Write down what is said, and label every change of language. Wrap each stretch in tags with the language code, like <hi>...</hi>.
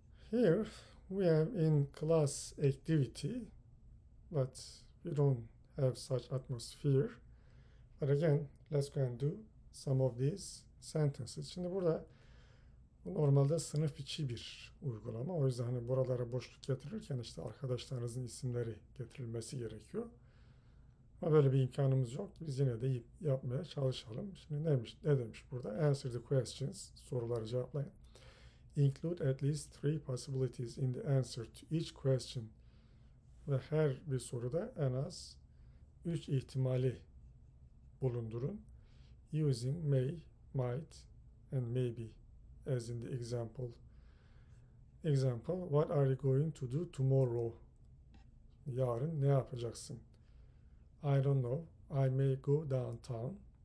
<en>Here we have in class activity, but we don't have such atmosphere. But again, let's go and do some of these sentences.</en> <tr>Şimdi burada normalde sınıf içi bir uygulama. O yüzden hani buralara boşluk getirirken işte arkadaşlarınızın isimleri getirilmesi gerekiyor. Ama böyle bir imkanımız yok. Biz yine de yapmaya çalışalım. Şimdi neymiş, ne demiş burada?</tr> <en>Answer the questions.</en> <tr>Soruları cevaplayın.</tr> <en>Include at least three possibilities in the answer to each question.</en> <tr>Ve her bir soruda en az 3 ihtimali bulundurun.</tr> <en>Using may, might and maybe as in the example. Example, what are you going to do tomorrow?</en> <tr>Yarın ne yapacaksın?</tr> <en>I don't know. I may go downtown.</en>